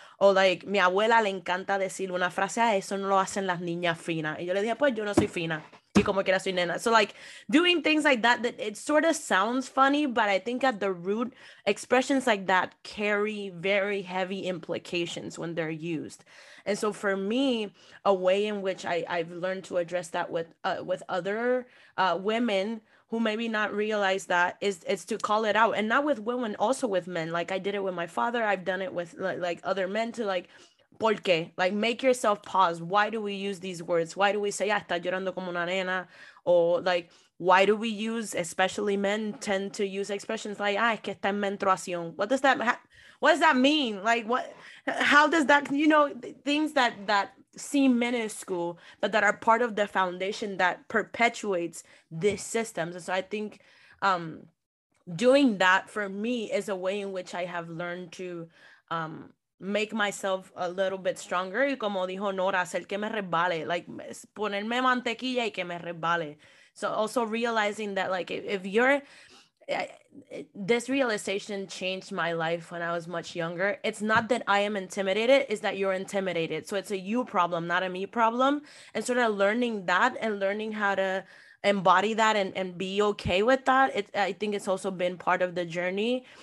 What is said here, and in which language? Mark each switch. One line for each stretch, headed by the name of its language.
English: Or like,
Spanish: mi abuela le encanta decir una frase, ah, eso no lo hacen las niñas finas. Y yo le dije, pues yo no soy fina, y como quiera soy nena.
English: So like, doing things like that, that it sort of sounds funny, but I think at the root, expressions like that carry very heavy implications when they're used. And so for me, a way in which I've learned to address that with other women who maybe not realize that is to call it out. And not with women, also with men. Like I did it with my father. I've done it with like other men to like,
Spanish: ¿por qué?
English: Like make yourself pause. Why do we use these words? Why do we say,
Spanish: ya está llorando como una nena?
English: Or like, why do we use, especially men tend to use expressions like,
Spanish: ah, es que está en menstruación.
English: What does that mean? What does that mean? Like, what? How does that, you know, things that seem minuscule, but that are part of the foundation that perpetuates this system. And so I think doing that for me is a way in which I have learned to make myself a little bit stronger.
Spanish: Y como dijo Nora, hacer que me resbale, like ponerme mantequilla y que me resbale.
English: So also realizing that, like, if you're, this realization changed my life when I was much younger. It's not that I am intimidated, it's that you're intimidated. So it's a you problem, not a me problem. And sort of learning that and learning how to embody that and be okay with that, I think it's also been part of the journey.